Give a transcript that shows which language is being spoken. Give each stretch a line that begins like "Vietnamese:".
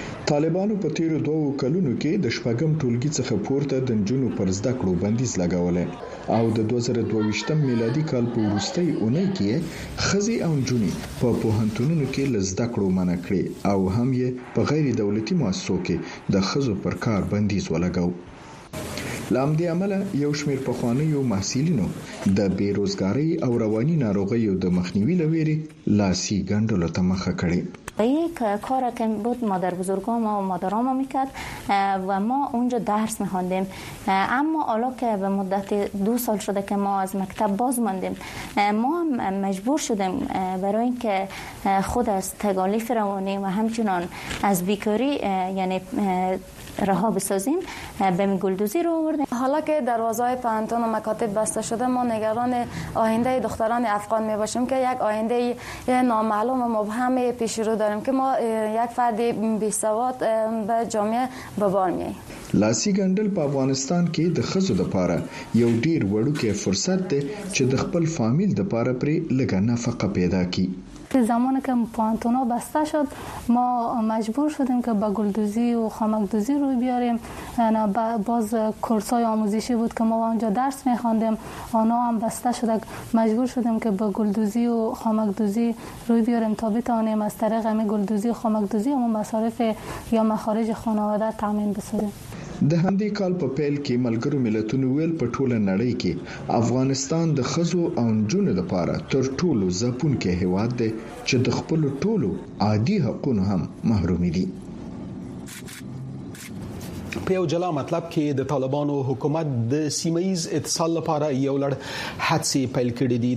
Pashto: طالبانو په تیرو 2 کلونو کې د شپږم ټولګي څخه پورته د نجونو پر زده کړو بندیز لګولې، او د 2020 میلادي کال په وروستۍ اونۍ کې خزي او نجونې په پوهنتونونو کې له زده کړو منع کړې، او هم یې په غیر دولتي موسسو کې د خزو پر کار بندیز ولګو. له همدې امله یو شمیر پخوانیو محصلینو د بیروزګارۍ او رواني ناروغیو د مخنیوي له ویرې لاسي ګنډلو ته مخه کړې.
Persian: به یک کار که بود مادر بزرگان ما و مادرام میکرد و ما اونجا درس میخوندیم. اما حالا که به مدت 2 سال شده که ما از مکتب باز ماندیم، ما مجبور شدیم برای اینکه خود از تکالیف روانی و همچنان از بیکاری یعنی رها بسازیم، به گلدوزی رو آوردیم. حالا که دروازه‌های پوهنتون و مکاتب بسته شده، ما نگران آینده دختران افغان می باشیم که یک آینده نامعلوم و مبهم پیش رو داریم که ما یک فردی بی‌سواد به جامعه به بار می آییم.
Pashto: لاسی گندل په افغانستان کې د خزو د پاره یو ډیر وړوکی فرصت دی چې د خپل فامیل د پاره پرې لږ نفقه پیدا کړي.
Persian: زمانی که پوانتونا بسته شد، ما مجبور شدیم که با گلدوزی و خامکدوزی روی بیاریم. باز کورس‌های آموزشی بود که ما اونجا درس می‌خواندیم، آنا هم بسته شد، مجبور شدیم که با گلدوزی و خامکدوزی روی بیاریم تا بتوانیم از طریق همین گلدوزی و خامکدوزی همون مصارف یا مخارج خانواده تامین بسازیم.
Pashto: ده همدې کال په پیل کې ملګرو ملتونو ویل په ټوله نړۍ کې افغانستان د ښځو او نجونو لپاره تر ټولو ځپونکی هیواد دی چې د خپلو ټولو عادي حقونو هم محرومی دي. په یو جلا مطلب کې د طالبانو حکومت د سیمه ایز اتصال لپاره یو لړ هڅې پیل کړې دي.